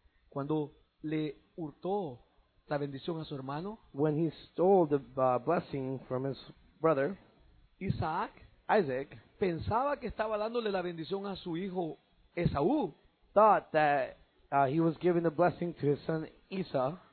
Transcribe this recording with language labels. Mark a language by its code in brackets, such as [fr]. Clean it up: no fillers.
[es] Cuando le hurtó la bendición a su hermano. [en] When he stole the blessing from his brother. [es] Isaac. Pensaba que estaba dándole la bendición a su hijo Esaú. [en] Thought that he was giving the blessing to his son Esau.